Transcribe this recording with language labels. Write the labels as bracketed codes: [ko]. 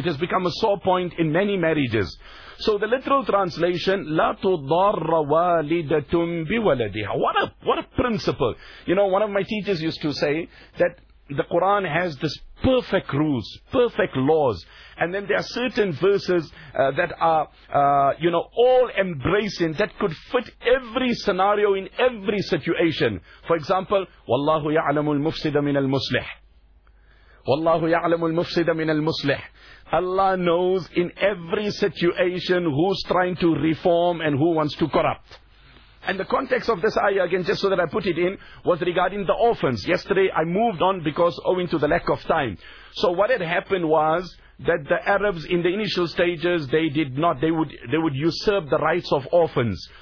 [en] It has become a sore point in many marriages. So the literal translation, [ar] لَا تُضَرَّ وَالِدَةٌ بِوَلَدِهَا. [en] What a principle. You know, one of my teachers used to say that the Quran has this perfect rules, perfect laws. And then there are certain verses that are, all embracing, that could fit every scenario in every situation. For example, [ar] وَاللَّهُ يَعْلَمُ الْمُفْسِدَ مِنَ الْمُصْلِحِ. وَاللَّهُ يَعْلَمُ الْمُفْسِدَ مِنَ الْمُصْلِحِ. [en] Allah knows in every situation who's trying to reform and who wants to corrupt. And the context of this ayah, again, just so that I put it in, was regarding the orphans. Yesterday I moved on because owing to the lack of time. So what had happened was that the Arabs in the initial stages, they would usurp the rights of orphans.